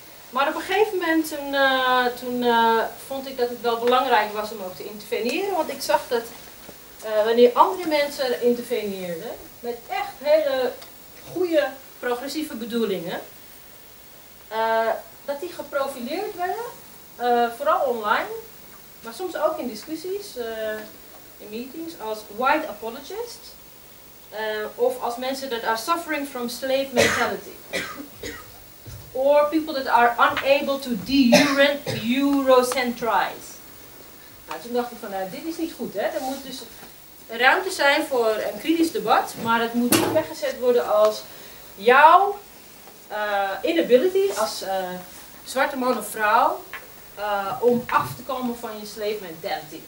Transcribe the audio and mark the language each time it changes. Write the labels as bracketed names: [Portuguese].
[Dutch] Maar op een gegeven moment vond ik dat het wel belangrijk was om ook te interveneren, want ik zag dat wanneer andere mensen interveneerden met echt hele goede progressieve bedoelingen, dat die geprofileerd werden, vooral online, maar soms ook in discussies, in meetings, als [English] white apologist [Dutch] of als mensen [English] that are suffering from slave mentality. Or people that are unable to de-Eurocentrize. [Dutch] Nou, toen dacht ik van, dit is niet goed, hè. Er moet dus ruimte zijn voor een kritisch debat, maar het moet niet weggezet worden als jouw [English] inability [Dutch] als zwarte man of vrouw om af te komen van je [English] slave mentality.